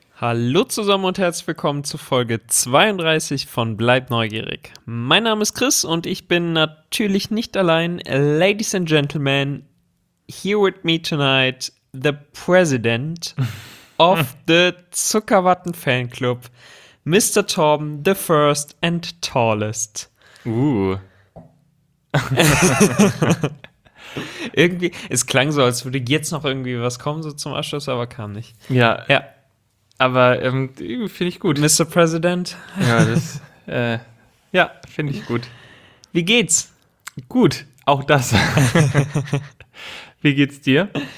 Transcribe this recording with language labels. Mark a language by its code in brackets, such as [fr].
[de] Hallo zusammen und herzlich willkommen zu Folge 32 von Bleibt neugierig. Mein Name ist Chris und ich bin natürlich nicht allein. [en] Ladies and Gentlemen, here with me tonight, the President of the Zuckerwatten Fanclub, Mr. Torben, the first and tallest. [de] Irgendwie, es klang so, als würde jetzt noch irgendwie was kommen, so zum Abschluss, aber kam nicht. Ja. Ja. Aber finde ich gut. [en] Mr. President. [de] Ja, das ja, finde ich gut. Wie geht's? Gut, auch das. Wie geht's dir?